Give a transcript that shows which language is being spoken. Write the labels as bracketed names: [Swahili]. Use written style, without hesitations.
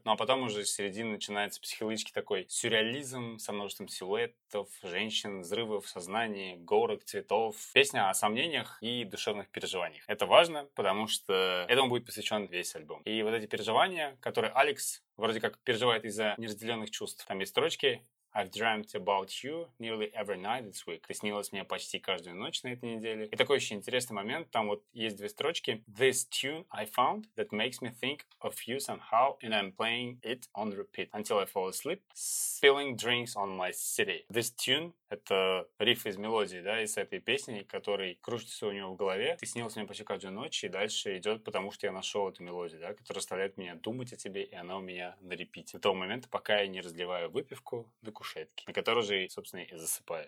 [Russian] Ну, а потом уже с середины начинается психологический такой сюрреализм со множеством силуэтов, женщин, взрывов, сознаний, горок, цветов. Песня о сомнениях и душевных переживаниях. Это важно, потому что этому будет посвящен весь альбом. И вот эти переживания, которые Алекс вроде как переживает из-за неразделенных чувств. Там есть строчки: [English] I've dreamt about you nearly every night this week. [Russian] Ты снилась мне почти каждую ночь на этой неделе. И такой еще интересный момент. Там вот есть две строчки: [English] This tune I found that makes me think of you somehow, and I'm playing it on repeat until I fall asleep, spilling drinks on my city. This tune [Russian] — это риф из мелодии, да, из этой песни, который крутится у него в голове. Ты снилась мне почти каждую ночь, и дальше идет, потому что я нашел эту мелодию, да, которая заставляет меня думать о тебе, и она у меня на репите. До того момента, пока я не разливаю выпивку до кушетки, на которой же, собственно, и засыпаю.